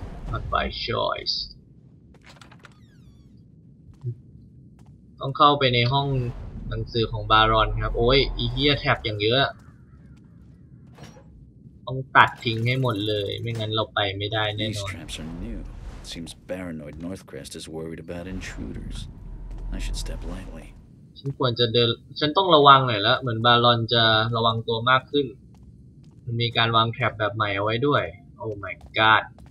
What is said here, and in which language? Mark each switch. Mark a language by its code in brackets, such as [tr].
[en] Not by choice. [th] ต้องเข้าไปในห้องหนังสือของบารอนครับโอ้ยอีเหี้ยแท็บอย่างเยอะต้องตัดทิ้งให้หมดเลยไม่งั้นเราไปไม่ได้แน่นอน [en] These traps are new. It seems Baronoid Northcrest is worried about intruders. I should step lightly. [th] ฉันควรจะเดินฉันต้องระวังหน่อยแล้วเหมือนบาลอนจะระวังตัวมากขึ้นมันมีการวางแทร็ปแบบใหม่เอาไว้ด้วยโอ้ my god